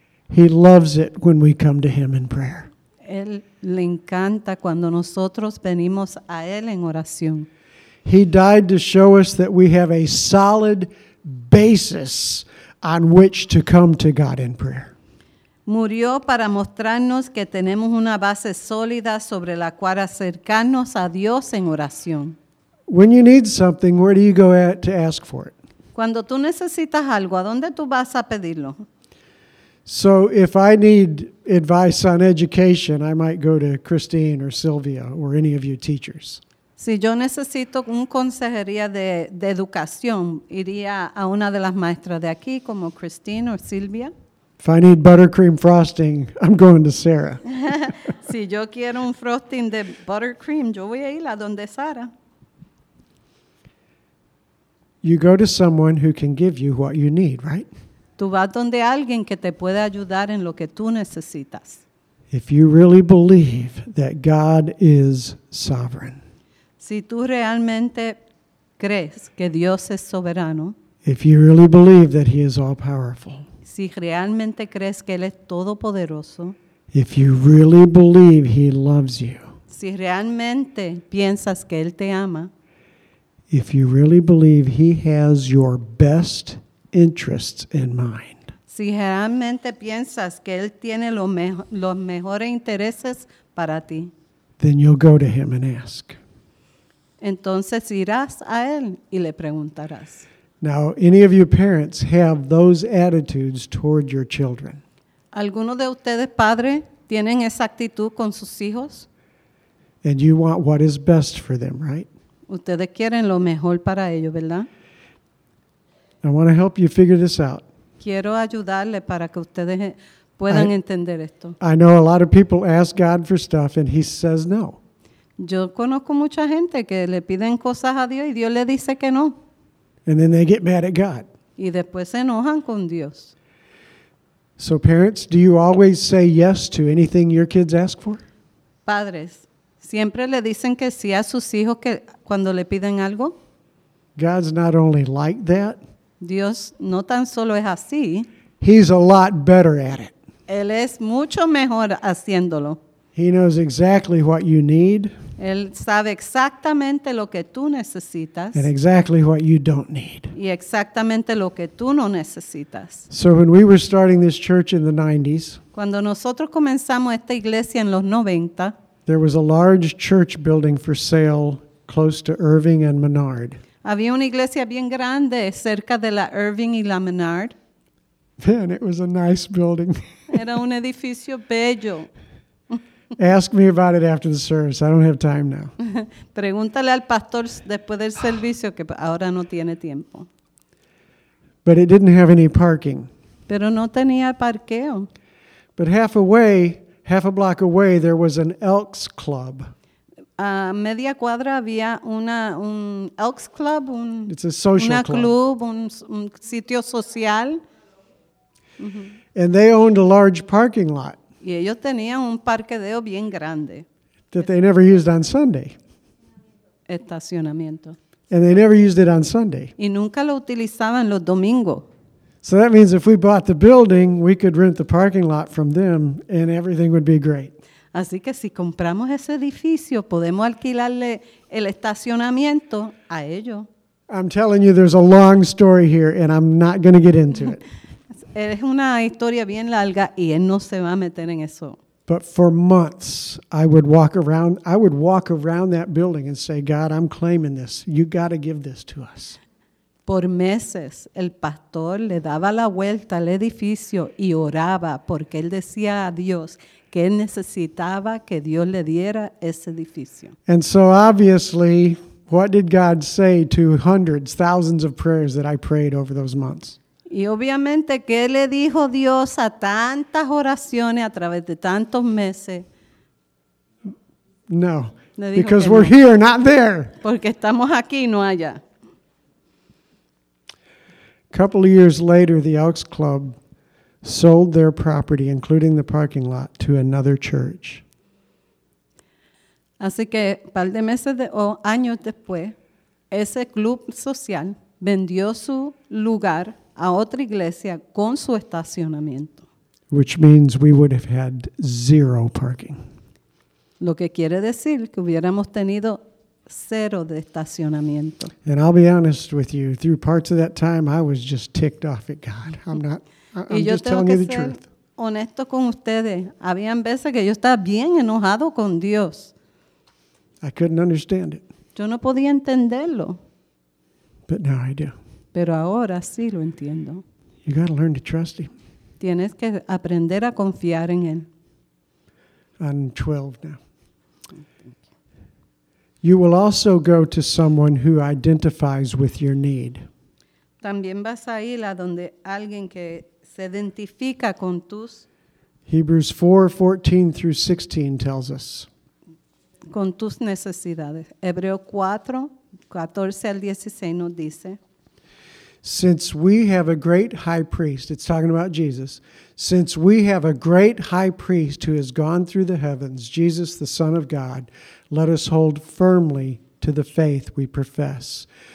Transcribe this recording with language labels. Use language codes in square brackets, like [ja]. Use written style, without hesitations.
[en] He loves it when we come to him in prayer. [es] Él le encanta cuando nosotros venimos a él en oración. [en] He died to show us that we have a solid basis on which to come to God in prayer. [es] Murió para mostrarnos que tenemos una base sólida sobre la cual acercarnos a Dios en oración. [en] When you need something, where do you go at to ask for it? [es] Cuando tú necesitas algo, ¿a dónde tú vas a pedirlo? [en] So if I need advice on education, I might go to Christine or Sylvia or any of you teachers. [es] Si yo necesito un consejería de educación, iría a una de las maestras de aquí, como Christine or Sylvia. [en] If I need buttercream frosting, I'm going to Sarah. [es] Si yo quiero un frosting de buttercream, yo voy a ir a donde Sara. [en] You go to someone who can give you what you need, right? [es] Tú vas donde alguien que te puede ayudar en lo que tú necesitas. [en] If you really believe that God is sovereign. [es] Si tú realmente crees que Dios es soberano. [en] If you really believe that he is all powerful. [es] Si realmente crees que él es todopoderoso. [en] If you really believe he loves you. [es] Si realmente piensas que él te ama. [en] If you really believe he has your best interests in mind. [es] Si realmente piensas que él tiene los mejores intereses para ti. [en] Then you'll go to him and ask. [es] Entonces irás a él y le preguntarás. [en] Now, any of you parents have those attitudes toward your children? [es] ¿Alguno de ustedes, padre, tienen esa actitud con sus hijos? [en] And you want what is best for them, right? [es] Ustedes quieren lo mejor para ellos, ¿verdad? [en] I want to help you figure this out. [es] Quiero ayudarle para que ustedes puedan entender esto. [en] I know a lot of people ask God for stuff and he says no. [es] Yo conozco mucha gente que le piden cosas a Dios y Dios le dice que no. [en] And then they get mad at God. [es] Y después se enojan con Dios. [en] So parents, do you always say yes to anything your kids ask for? [es] Padres, ¿siempre le dicen que sí a sus hijos que cuando le piden algo? [en] God's not only like that. [es] Dios no tan solo es así. [en] He's a lot better at it. [es] Él es mucho mejor haciéndolo. [en] He knows exactly what you need. [es] Él sabe exactamente lo que tú necesitas. [en] And exactly what you don't need. [es] Y exactamente lo que tú no necesitas. [en] So when we were starting this church in the 90s, [es] cuando nosotros comenzamos esta iglesia en los 90, [en] there was a large church building for sale close to Irving and Menard. [es] Había una iglesia bien grande cerca de la Irving y la Menard. [en] Man, it was a nice building. [es] Era un edificio bello. [en] Ask me about it after the service. I don't have time now. [es] Pregúntale al pastor después del servicio que ahora no tiene tiempo. [en] But it didn't have any parking. [es] Pero no tenía parqueo. [en] But half a block away, there was an Elks Club. [es] A media cuadra había un Elks Club, [en] it's a social [es] club, un sitio social. [en] And they owned a large parking lot. [es] Y ellos tenían un parqueo bien grande. [en] That they never used on Sunday. [es] Estacionamiento. [en] And they never used it on Sunday. [es] Y nunca lo utilizaban los domingos. [en] So that means if we bought the building, we could rent the parking lot from them and everything would be great. [es] Así que si compramos ese edificio, podemos alquilarle el estacionamiento a ellos. [en] I'm telling you, there's a long story here and I'm not going to get into it. [es] Es una historia bien larga y él no se va a meter en eso. [en] But for months, I would walk around that building and say, God, I'm claiming this. You got to give this to us. [es] Por meses, el pastor le daba la vuelta al edificio y oraba porque él decía a Dios que él necesitaba que Dios le diera ese edificio. [en] And so obviously, what did God say to hundreds, thousands of prayers that I prayed over those months? [es] Y obviamente, ¿qué le dijo Dios a tantas oraciones a través de tantos meses? [en] No, because we're here, not there. [es] Porque estamos aquí, no allá. [en] A couple of years later, the Elks Club sold their property, including the parking lot, to another church. [es] Así que par de meses de, o años después, ese club social vendió su lugar a otra iglesia con su estacionamiento. [en] Which means we would have had zero parking. [es] Lo que quiere decir que hubiéramos tenido cero de estacionamiento. [en] And I'll be honest with you, through parts of that time, I was just ticked off at God. I'm just telling you the truth. [es] Honesto con ustedes, habían veces que yo estaba bien enojado con Dios. [en] I couldn't understand it. [es] Yo no podía entenderlo. [en] But now I do. [es] Pero ahora sí lo entiendo. [en] You got to learn to trust him. [es] Tienes que aprender a confiar en él. [en] I'm 12 now. You will also go to someone who identifies with your need. [es] También vas a ir a donde alguien que se identifica con tus. [en] Hebrews 4:14 through 16 tells us. [es] Con tus necesidades. Hebreos 4, 14 al 16 nos dice. [en] Since we have a great high priest, it's talking about Jesus. Since we have a great high priest who has gone through the heavens, Jesus, the Son of God, let us hold firmly to the faith we profess.